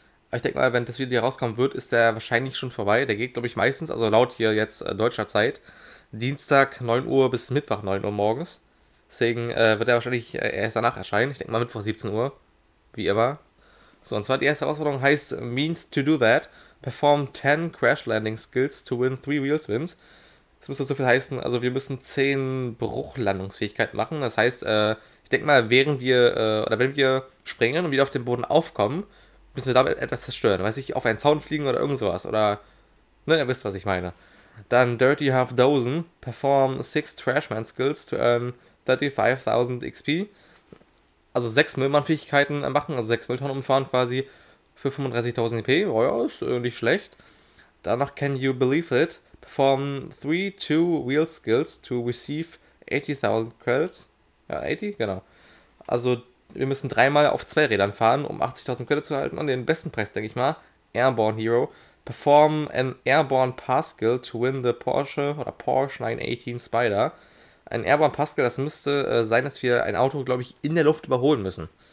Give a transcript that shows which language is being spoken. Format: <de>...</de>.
<de>Aber ich denke mal, wenn das Video hier rauskommen wird, ist der wahrscheinlich schon vorbei. Der geht, glaube ich, meistens, also laut hier jetzt deutscher Zeit, Dienstag 9 Uhr bis Mittwoch 9 Uhr morgens. Deswegen wird er wahrscheinlich erst danach erscheinen. Ich denke mal Mittwoch 17 Uhr, wie immer. So, und zwar die erste Herausforderung heißt</de> <en>Means to do that. Perform 10 Crash Landing Skills to win 3 Wheels Wins.</en> <de>Das müsste so viel heißen, also wir müssen 10 Bruchlandungsfähigkeit machen. Das heißt, ich denke mal, während wir, oder wenn wir springen und wieder auf den Boden aufkommen, müssen wir damit etwas zerstören, weiß ich, auf einen Zaun fliegen oder irgend sowas, oder, ne, ihr wisst, was ich meine. Dann</de> <en>Dirty Half Dozen, perform 6 Trashman Skills to earn 35.000 XP.</en> <de>Also 6 Müllmann-Fähigkeiten machen, also 6 Mülltonnen umfahren quasi für 35.000 EP. Oh ja, ist nicht schlecht. Danach</de> <en>Can You Believe It, perform 3 Two Wheel Skills to receive 80.000 Credits.</en> <de>Ja, 80, genau. Also, wir müssen dreimal auf zwei Rädern fahren, um 80.000 Credits zu erhalten. Und den besten Preis, denke ich mal, Airborne Hero.</de> <en>Perform an Airborne Pass Skill to win the Porsche</en> <de>oder</de> <en>Porsche 918 Spider.</en> <de>Ein Airborne Pass Skill, das müsste sein, dass wir ein Auto, glaube ich, in der Luft überholen müssen.</de>